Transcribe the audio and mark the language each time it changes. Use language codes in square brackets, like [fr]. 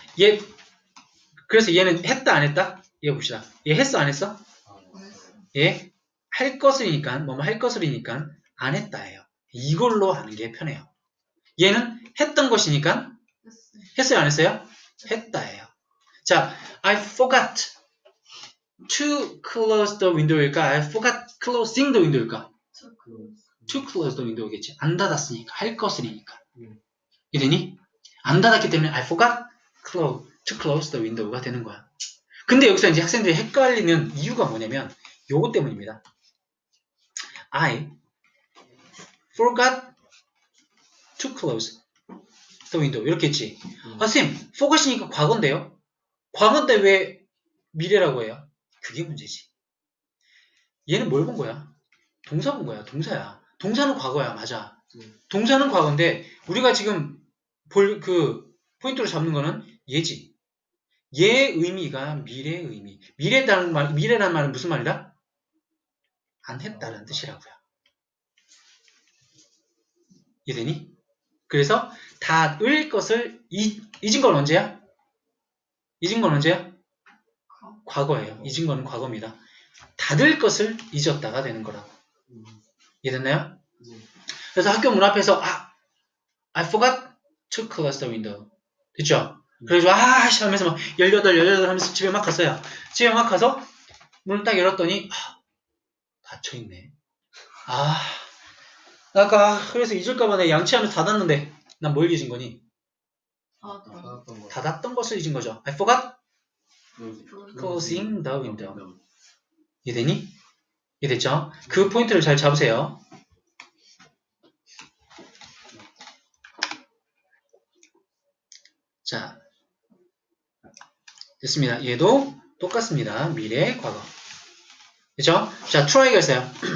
[ko] 얘 그래서 얘는 했다 안 했다? 이거 봅시다. 얘 했어 안 했어? 예? 할 것이니까, 뭐뭐 할 것이니까 안 했다예요. 이걸로 하는 게 편해요. 얘는 했던 것이니까 했어요 안 했어요? 했다예요. [en] 자, I forgot to close the window일까? I forgot closing the window일까? To close the window겠지. [ko] 안 닫았으니까 할 것이니까. 이러니? 안 닫았기 때문에 [en] I forgot to close the window가 되는 거야. [ko] 근데 여기서 이제 학생들이 헷갈리는 이유가 뭐냐면 요거 때문입니다. [en] I forgot to close the window. [ko] 이렇게 했지. 아, 선생님, forgot이니까 과거인데요? 과거인데 왜 미래라고 해요? 그게 문제지. 얘는 뭘 본 거야? 동사 본 거야, 동사야. 동사는 과거야, 맞아. 동사는 과거인데, 우리가 지금 포인트로 잡는 거는 얘지. 얘의 의미가 미래의 의미. 미래라는 말은 무슨 말이다? 안 했다는 뜻이라고요. 이해되니? 그래서 닫을 것을 잊은 건 언제야? 잊은 건 언제야? 과거예요. 잊은 건 과거입니다. 닫을 것을 잊었다가 되는 거라고. 이해됐나요? 그래서 학교 문 앞에서 [en] I forgot to close the window. [ko] 됐죠? 그래서 하면서 막 18 하면서 집에 막 갔어요. 집에 막 가서 문을 딱 열었더니 닫혀있네. 아까 그래서 잊을까봐 내 양치하면서 닫았는데 난 뭘 잊은 거니? 닫았던 것을 잊은 거죠. [en] I forgot closing the window. [ko] 이해되니? 이해됐죠? 그 포인트를 잘 잡으세요. 자, 됐습니다. 얘도 똑같습니다. 미래, 과거. 그죠? 자, try가 있어요.